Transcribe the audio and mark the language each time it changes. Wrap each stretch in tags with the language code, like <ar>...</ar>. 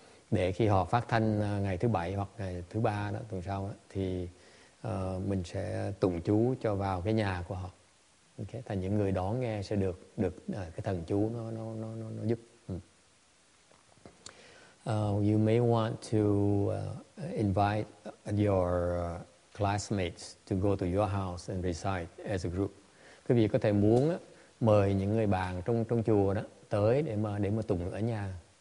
<vi>Để khi họ phát thanh ngày thứ bảy hoặc ngày thứ ba đó, tuần sau đó, thì mình sẽ tụng chú cho vào cái nhà của họ. Okay. Thành những người đón nghe sẽ được cái thần chú nó giúp.</vi> <en>You may want to invite your classmates to go to your house and recite as a group.</en> <vi>Quý vị có thể muốn mời những người bạn trong chùa đó tới để mà tụng ở nhà.</vi>